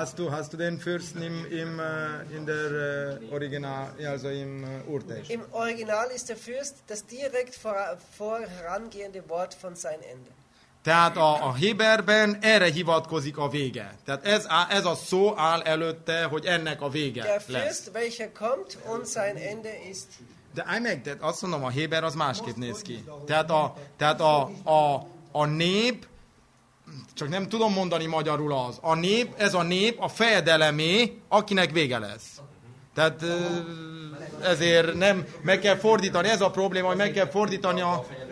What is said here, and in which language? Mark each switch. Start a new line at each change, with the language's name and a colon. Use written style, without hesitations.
German: Hast du den Fürsten in der Original, also im Urtext? Im Original ist der Fürst das direkt vorangehende Wort von sein Ende.
Hungarian: Tehát a Héberben erre hivatkozik a vége. Tehát ez a szó áll előtte, hogy ennek a vége lesz.
German: Der Fürst, welcher kommt und sein Ende ist.
Hungarian: De azt mondom, a Héber az másképp néz ki. Tehát a nép, csak nem tudom mondani magyarul az. A nép, ez a nép a fejedelemé, akinek vége lesz. Tehát ezért nem, meg kell fordítani, ez a probléma, hogy meg kell fordítani a...